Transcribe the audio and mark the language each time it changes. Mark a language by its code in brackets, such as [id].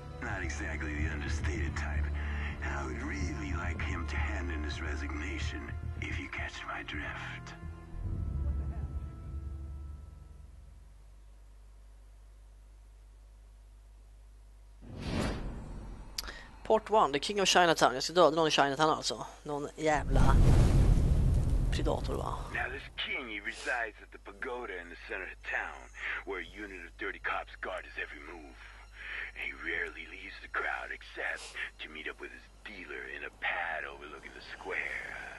[en] Not exactly the understated type. And I would really like him to hand in his resignation, if you catch my drift. Port 1, The King of Chinatown. [sv] Jag ska döda någon i Chinatown alltså. Någon jävla predator va? [en] Now this king, he resides at the pagoda in the center of town, where a unit of dirty cops guard his every move. He rarely leaves the crowd except to meet up with his dealer in a pad overlooking the square.